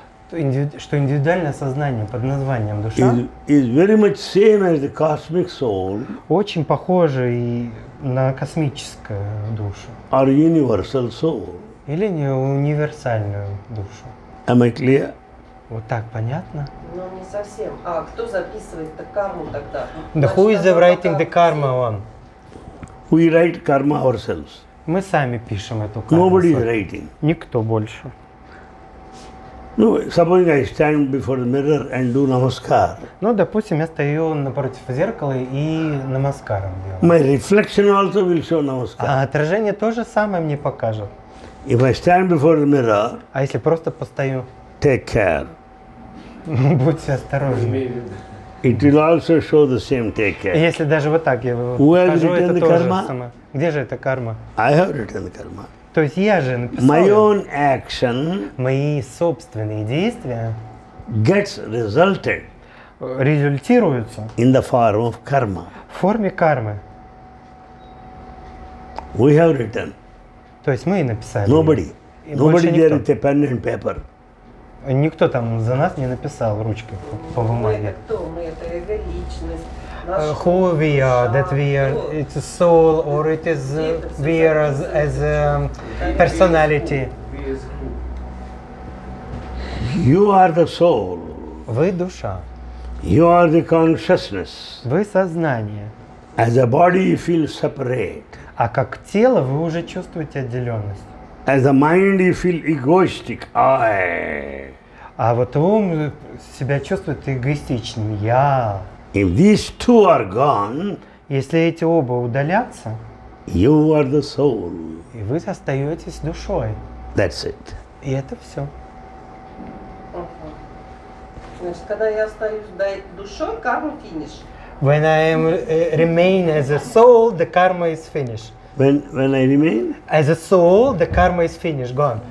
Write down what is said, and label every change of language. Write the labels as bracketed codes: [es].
[ru] что индивидуальное сознание под названием душа. [en] Is very much same as the cosmic soul. [ru] Очень похоже и на космическую душу. [en] Or universal soul. [ru] Или не универсальную душу. [en] Am I clear? [ru] Вот так понятно? Ну не совсем. А кто записывает карму тогда? [en] Да who is the writing the karma on? We write karma ourselves. [ru] Мы сами пишем эту карму. [en] Nobody is writing. [ru] Никто больше. [en] Ну, supposing I stand before the mirror and do namaskar. [ru] Ну, допустим, я стою напротив зеркала и намаскаром делаю. [en] My reflection also will show namaskar. [ru] А отражение тоже самое мне покажет. [en] If I stand before the mirror. [ru] А если просто постою? [en] Take care. [ru] Будьте осторожны. [en] It will also show the same take care. [ru] Если даже вот так я покажу, это тоже самое. Где же эта карма? [en] I have written the karma. [ru] То есть я же написал. [en] My own action. [ru] Мои собственные действия. [en] Gets resulted. [ru] Результируются. [en] In the form of karma. [ru] В форме кармы. [en] We have written. [ru] То есть мы и написали. [en] Nobody. Nobody there with a pen and paper. [ru] Никто там за нас не написал ручкой по бумаге. Мы это кто? Мы это эго личность. [en] Who we are, that we are, it's a soul, or it is, we are as a personality. You are the soul. [ru] Вы душа. [en] You are the consciousness. [ru] Вы сознание. [en] As a body you feel separate. [ru] А как тело вы уже чувствуете отделенность. [en] As a mind you feel egoistic, I. [ru] А вот ум себя чувствует эгоистичным, я. [en] If these two are gone, [ru] если эти оба удалятся, [en] you are the soul. [ru] И вы остаетесь душой. [en] That's it. [ru] И это все. Значит, когда я остаюсь душой, карма finish. [en] When I am remain as a soul, the karma is finished. When I remain as a soul, the karma is finished, gone.